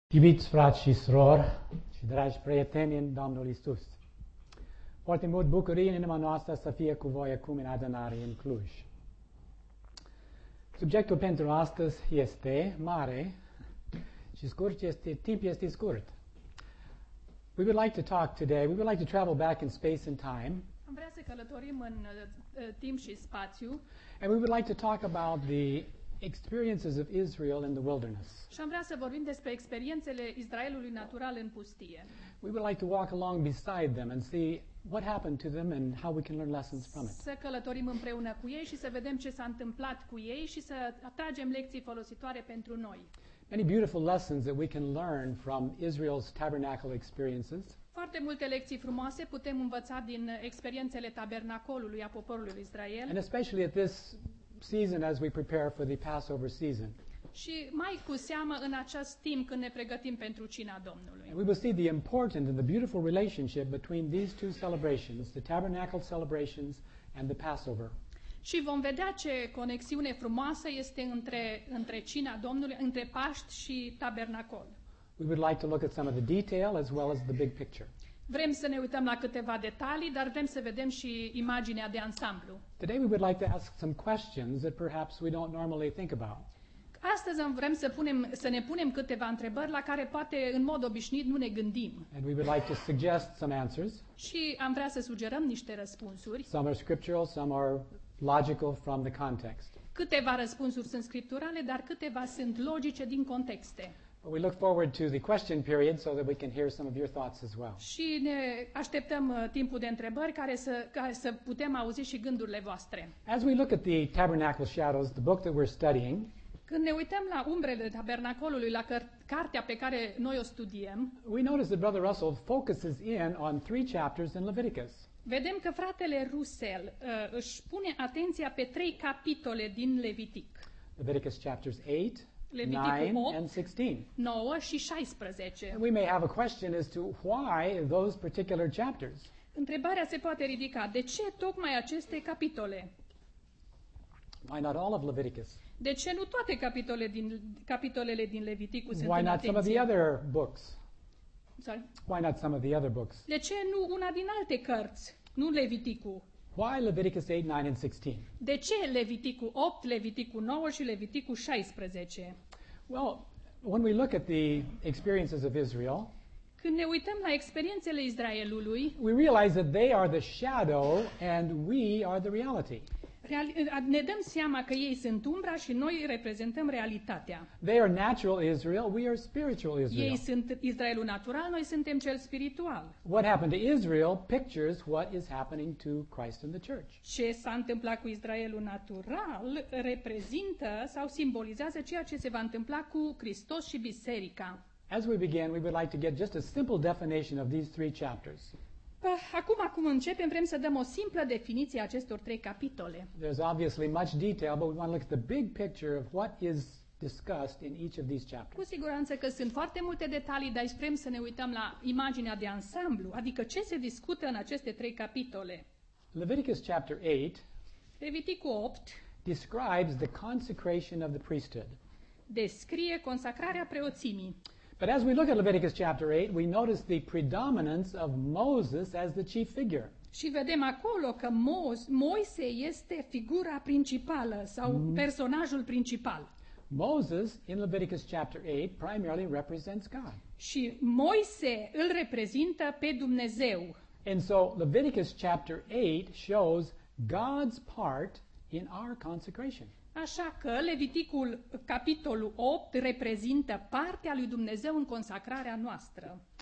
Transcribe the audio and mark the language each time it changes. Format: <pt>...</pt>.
<ro>Iubiți frați și surori și dragi prieteni în Domnul Iisus, foarte mult bucurie în inima noastră să fie cu voi acum în adunare în Cluj. Subiectul pentru astăzi este mare și scurt este, timp este scurt.</ro> <en>We would like to talk today, we would like to travel back in space and time.</en> <ro>Am vrea să călătorim în timp și spațiu.</ro> <en>And we would like to talk about the experiences of Israel in the wilderness.</en> <ro>Și am vrea să vorbim despre experiențele Israelului natural în pustie.</ro> <en>We would like to walk along beside them and see what happened to them and how we can learn lessons from it.</en> <ro>Să călătorim împreună cu ei și să vedem ce s-a întâmplat cu ei și să atragem lecții folositoare pentru noi.</ro> <en>Many beautiful lessons that we can learn from Israel's tabernacle experiences.</en> <ro>Foarte multe lecții frumoase putem învăța din experiențele tabernacolului a poporului Israel.</ro> <en>And especially at this season as we prepare for the Passover season.</en> <ro>Și mai cu seamă în acest timp când ne pregătim pentru cina Domnului.</ro> <en>And we will see the important and the beautiful relationship between these two celebrations, the tabernacle celebrations and the Passover.</en> <ro>Și vom vedea ce conexiune frumoasă este între cina Domnului, între Paști și Tabernacol.</ro> <en>We would like to look at some of the detail as well as the big picture.</en> <ro>Vrem să ne uităm la câteva detalii, dar vrem să vedem și imaginea de ansamblu.</ro> <en>Today we would like to ask some questions that perhaps we don't normally think about.</en> <ro>Astăzi vrem să ne punem câteva întrebări la care poate în mod obișnuit nu ne gândim.</ro> <en>And we would like to suggest some answers.</en> <ro>Și am vrea să sugerăm niște răspunsuri.</ro> <en>Some are scriptural, some are logical from the context.</en> <ro>Câteva răspunsuri sunt scripturale, dar câteva sunt logice din contexte.</ro> <en>But we look forward to the question period so that we can hear some of your thoughts as well.</en> <ro>Și ne așteptăm timpul de întrebări ca să putem auzi și gândurile voastre.</ro> <en>As we look at the Tabernacle Shadows, the book that we're studying,</en> <ro>când ne uităm la umbrele tabernacolului, la cartea pe care noi o studiem,</ro> <en>we notice that Brother Russell focuses in on three chapters in Leviticus.</en> <ro>Vedem că fratele Russell își pune atenția pe trei capitole din Levitic.</ro> <en>Leviticus chapters 8, 9 and 16.</en> <ro>9 și 16.</ro> <en>And we may have a question as to why those particular chapters.</en> <ro>Întrebarea se poate ridica, de ce tocmai aceste capitole?</ro> <en>Why not all of Leviticus?</en> <ro>De ce nu toate capitolele din Leviticus sunt în atenție?</ro> <en>Why not some of the other books? Sorry? Why not some of the other books?</en> <ro>De ce nu una din alte cărți, nu Leviticul?</ro> <en>Why Leviticus 8, 9 and 16?</en> <ro>De ce Leviticul 8, Leviticul 9 și Leviticul 16?</ro> <en>Well, when we look at the experiences of Israel,</en> <ro>când ne uităm la experiențele Israelului,</ro> <en>we realize that they are the shadow and we are the reality.</en> <ro>Ne dăm seama că ei sunt umbra și noi reprezentăm realitatea.</ro> <en>They are natural Israel, we are spiritual Israel.</en> <ro>Ei sunt Israelul natural, noi suntem cel spiritual.</ro> <en>What happened to Israel pictures what is happening to Christ and the church.</en> <ro>Ce s-a întâmplat cu Israelul natural reprezintă sau simbolizează ceea ce se va întâmpla cu Hristos și biserica.</ro> <en>As we begin, we would like to get just a simple definition of these three chapters.</en> <ro>Acum începem, vrem să dăm o simplă definiție a acestor trei capitole.</ro> <en>There's obviously much detail, but we want to look at the big picture of what is discussed in each of these chapters.</en> <ro>Cu siguranță că sunt foarte multe detalii, dar vrem să ne uităm la imaginea de ansamblu, adică ce se discută în aceste trei capitole.</ro> <en>Leviticus chapter 8,</en> <ro>Leviticul 8</ro> <en>describes the consecration of the priesthood.</en> <ro>Descrie consacrarea preoțimii.</ro> <en>But as we look at Leviticus chapter 8, we notice the predominance of Moses as the chief figure.</en> <ro>Și vedem acolo că Moise este figura principală sau personajul principal.</ro> <en>Moses in Leviticus chapter 8 primarily represents God.</en> <ro>Și Moise îl reprezintă pe Dumnezeu.</ro> <en>And so Leviticus chapter 8 shows God's part in our consecration.</en> <ro>Așa că Leviticul capitolul 8 reprezintă partea lui Dumnezeu în consacrarea noastră.</ro>